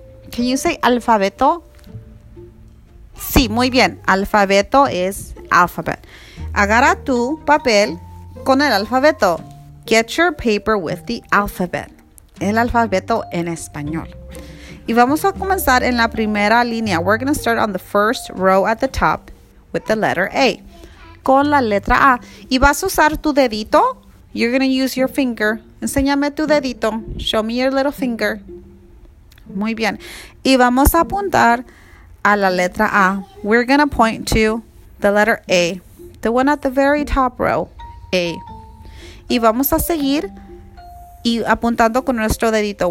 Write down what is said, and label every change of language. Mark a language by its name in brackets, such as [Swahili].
[English] Can you say alfabeto? [Spanish] Sí, muy bien. [English] Alfabeto is alphabet. [Spanish] Agarra tu papel con el alfabeto. [English] Get your paper with the alphabet. [Spanish] El alfabeto en español. Y vamos a comenzar en la primera línea. [English] We're going to start on the first row at the top with the letter A. [Spanish] Con la letra A. ¿Y vas a usar tu dedito? [English] You're going to use your finger. [Spanish] Enséñame tu dedito. [English] Show me your little finger. [Spanish] Muy bien. Y vamos a apuntar a la letra A. [English] We're going to point to the letter A. The one at the very top row. A. [Spanish] Y vamos a seguir y apuntando con nuestro dedito.